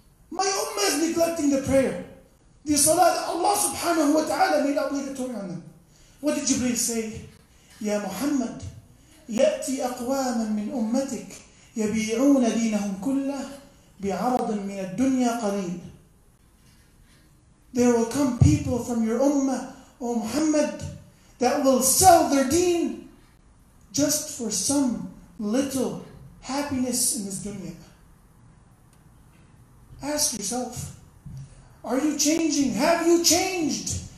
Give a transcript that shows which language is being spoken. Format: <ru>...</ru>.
<en>My ummah is neglecting the prayer. The salah that Allah subhanahu wa ta'ala made obligatory on them. What did Jibreel say?</en> <ar>Ya Muhammad, يَأْتِي أَقْوَامًا مِنْ أُمَّتِكَ يَبِيعُونَ دِينَهُمْ كُلَّهِ بِعَرَضٍ مِنَ الدُّنْيَا قَلِيلٍ.</ar> <en>There will come people from your ummah, O Muhammad, that will sell their deen just for some little happiness in this dunya. Ask yourself, are you changing? Have you changed?</en>